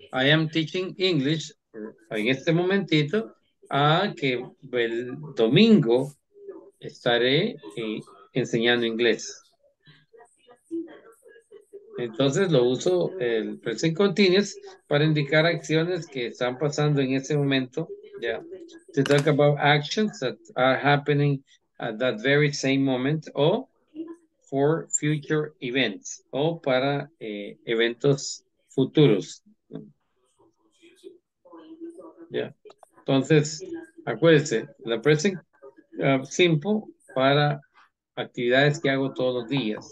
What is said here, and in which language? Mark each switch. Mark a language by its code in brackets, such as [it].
[en] I am teaching English [es] en este momentito a que el domingo estaré enseñando inglés. Entonces lo uso el present continuous para indicar acciones que están pasando en ese momento. [en] Yeah. To talk about actions that are happening at that very same moment or for future events [es] o para eventos futuros. [en] Yeah. [es] Entonces, acuérdense, la present simple para actividades que hago todos los días.